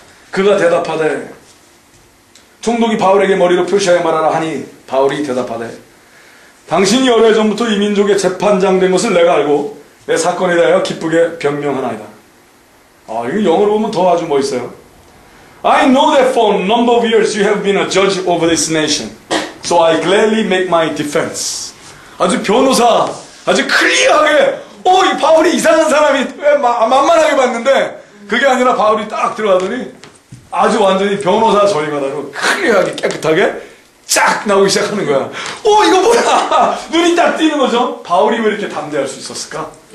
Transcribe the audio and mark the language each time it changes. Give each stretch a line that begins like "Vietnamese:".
Korean: 그가 대답하되 총독이 바울에게 머리로 표시하여 말하라 하니 바울이 대답하되 당신이 여러 해 전부터 이 민족의 재판장 된 것을 내가 알고 내 사건에 대하여 기쁘게 변명하나이다. 아, 이거 영어로 보면 더 아주 멋있어요.
English: I know that for a number of years you have been a judge over this nation. So I gladly make my defense.
Korean: 아주 변호사, 아주 클리어하게, 오, 이 바울이 이상한 사람이 왜 만만하게 봤는데, 그게 아니라 바울이 딱 들어가더니 아주 완전히 변호사 전임하다로 클리어하게 깨끗하게 쫙 나오기 시작하는 거야. 오, 이거 뭐야! 눈이 딱 띄는 거죠? 바울이 왜 이렇게 담대할 수 있었을까?